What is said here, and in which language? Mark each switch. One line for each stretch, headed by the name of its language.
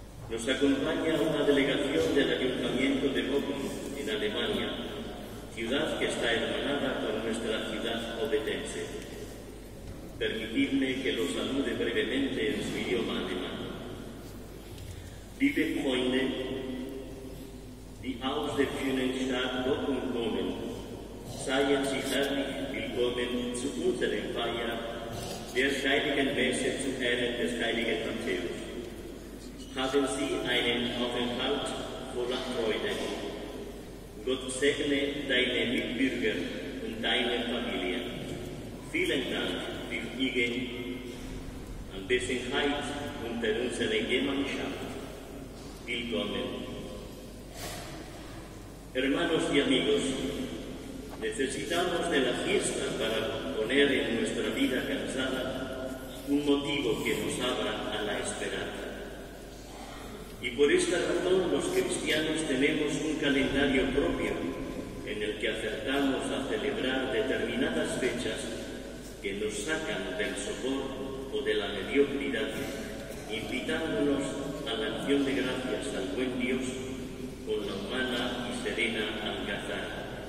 Spanish: Nos acompaña una delegación del Ayuntamiento de Bochum, en Alemania, ciudad que está hermanada con nuestra ciudad obetense. Permitidme que lo salude brevemente en su idioma alemán.
German: Liebe Freunde, die aus der schönen Stadt Bochum kommen, seien Sie herzlich willkommen zu unserer Feier der heiligen Messe zu Ehren des heiligen Matthäus. Haben Sie einen Aufenthalt voller Freude. Gott segne deine Mitbürger und deine Familie. Vielen Dank für Ihre Anwesenheit unter unserer Gemeinschaft. Willkommen.
Spanish: Hermanos y amigos, necesitamos de la fiesta para poner en nuestra vida cansada un motivo que nos abra a la esperanza. Y por esta razón los cristianos tenemos un calendario propio en el que acertamos a celebrar determinadas fechas que nos sacan del sopor o de la mediocridad, invitándonos a la acción de gracias al buen Dios con la humana y serena Alcázar.